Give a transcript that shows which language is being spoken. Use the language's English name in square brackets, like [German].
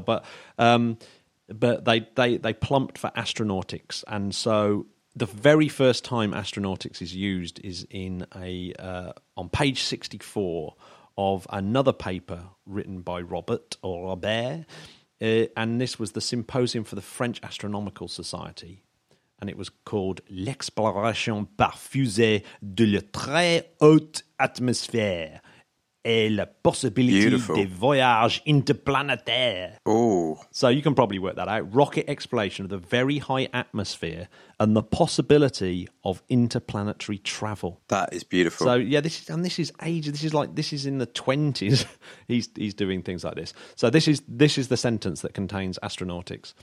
[English] But they plumped for astronautics, and so the very first time astronautics is used is in on page 64 of another paper written by Robert, and this was the Symposium for the French Astronomical Society. And it was called [French] L'exploration par fusée de la très haute atmosphère et la possibilité des voyages interplanétaires. Oh. [English] So you can probably work that out. Rocket exploration of the very high atmosphere and the possibility of interplanetary travel. That is beautiful. So, yeah, this is in the 20s. he's doing things like this. So this is the sentence that contains astronautics.